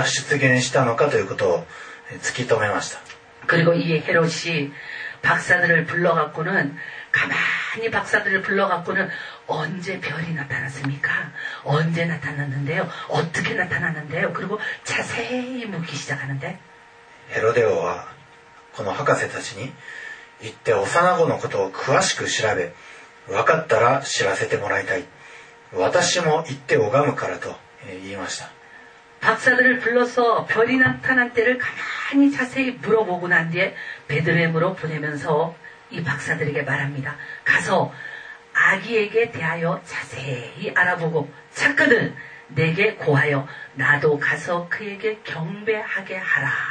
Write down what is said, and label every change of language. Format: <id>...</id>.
<ja>そして博士たちをですね、密かに呼び寄せて、そしていつその星が出現したのかということを突き止めました。</ja> <ko>그리고 이 헤롯이 박사들을 불러갖고는 가만히 박사들을 불러갖고는 언제 별이 나타났습니까? 언제 나타났는데요? 어떻게 나타났는데요? 그리고 자세히 묻기 시작하는데</ko> <ja>헤로데오はこの博士たちに行って幼子のことを詳しく調べ、分かったら知らせてもらいたい。私も行って拝むからと言いました。</ja> <ko>박사들을 불러서 별이 나타난 때를 가만히 자세히 물어보고 난 뒤에 베들레헴으로 보내면서 이 박사들에게 말합니다. 가서 아기에게 대하여 자세히 알아보고 찾거든 내게 고하여 나도 가서 그에게 경배하게 하라.</ko>